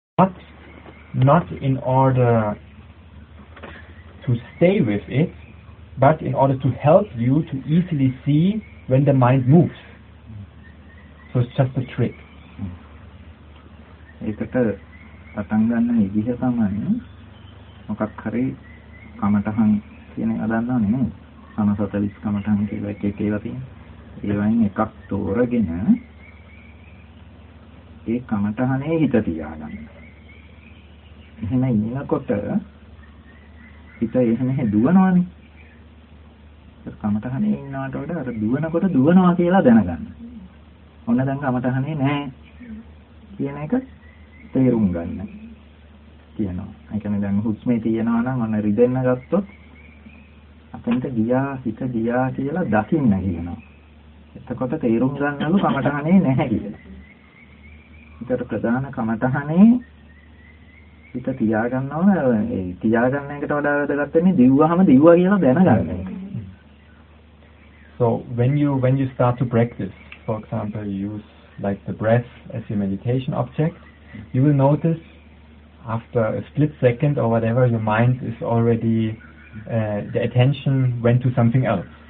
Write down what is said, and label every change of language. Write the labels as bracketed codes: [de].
[en] not in order to stay with it, but in order to help you to easily see when the mind moves. So it's just a trick. [si] ඒකට පටන් ගන්න විදිහ තමයි මොකක් හරි කමටහන් කියන එක දන්නවනේ නේද? සමසතලිස් කමටහන් කියලා එක එක ඒවා තියෙනවා. ඒවායින් එකක් තෝරගෙන ඒ කමටහනේ හිත තියාගන්න. එහෙම ඉන්නකොට හිත එහෙම දුවනවානේ. ඒ කමටහනේ ඉන්නවට වඩා අර දුවනකොට දුවනවා කියලා දැනගන්න. ඔන්න දැන් කමටහනේ නැහැ කියන එක තේරුම් ගන්න කියනවා. ඒ කියන්නේ දැන් හුස්මේ තියනවා නම් අන රිදෙන්න ගත්තොත් අපිට ගියා හිත ගියා කියලා දකින්න කියනවා. එතකොට තේරුම් ගන්නලු කමටහනේ නැහැ කියලා. හිතට ප්‍රධාන කමටහනේ හිත තියා ගන්නවම ඒ තියා ගන්න එකට වඩා වැදගත් වෙන්නේ දිව්වහම දිව්වා කියලා දැනගන්න එක. [en] So when you start to practice, for example, you use like the breath as your meditation object, you will notice after a split second or whatever, your mind is already, the attention went to something else.